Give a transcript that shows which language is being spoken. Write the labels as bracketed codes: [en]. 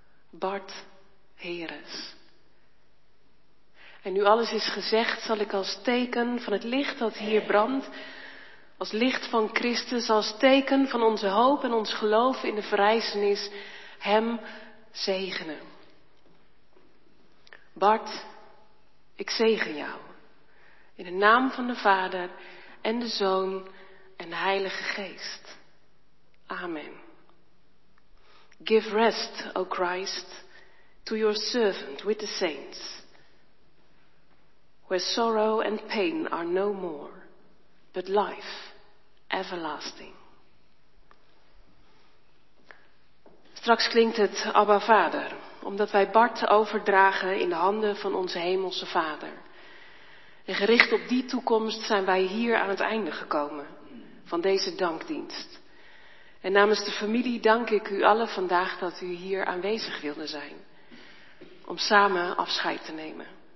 [nl] Bart Heres. En nu alles is gezegd, zal ik als teken van het licht dat hier brandt, als licht van Christus, als teken van onze hoop en ons geloof in de verrijzenis, hem zegenen. Bart, ik zegen jou. In de naam van de Vader en de Zoon en de Heilige Geest. [en] Amen. Give rest, O Christ, to your servant with the saints, where sorrow and pain are no more, but life everlasting. [nl] Straks klinkt het Abba Vader, omdat wij Bart overdragen in de handen van onze hemelse Vader. En gericht op die toekomst zijn wij hier aan het einde gekomen van deze dankdienst. En namens de familie dank ik u allen vandaag dat u hier aanwezig wilde zijn, om samen afscheid te nemen.